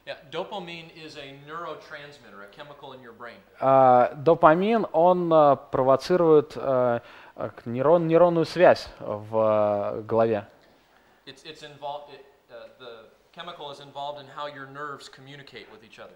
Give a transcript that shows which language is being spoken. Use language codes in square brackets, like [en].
[en] Dopamine is a neurotransmitter, a chemical in your brain. [ru] Допамин, он провоцирует нейронную связь в голове. [en] It's involved, the chemical is involved in how your nerves communicate with each other.